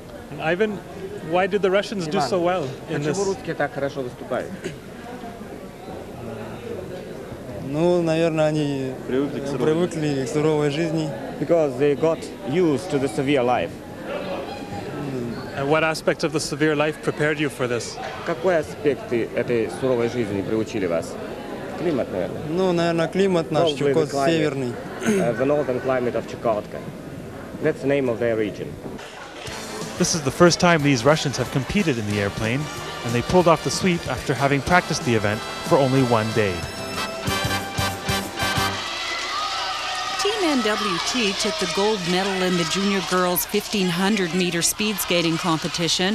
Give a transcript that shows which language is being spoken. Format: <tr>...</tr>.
<en>And Ivan, why did the Russians do so well in this? Because they got used to the severe life. And what aspect of the severe life prepared you for this?</en> <ru>Какой аспект этой суровой жизни приучили вас? Климат, наверное. Ну, наверное, климат наш Чукотский северный.</ru> <en>The northern climate of Chukotka. That's the name of their region. This is the first time these Russians have competed in the airplane, and they pulled off the sweep after having practiced the event for only one day. Team NWT took the gold medal in the junior girls' 1500-meter speed skating competition.</en>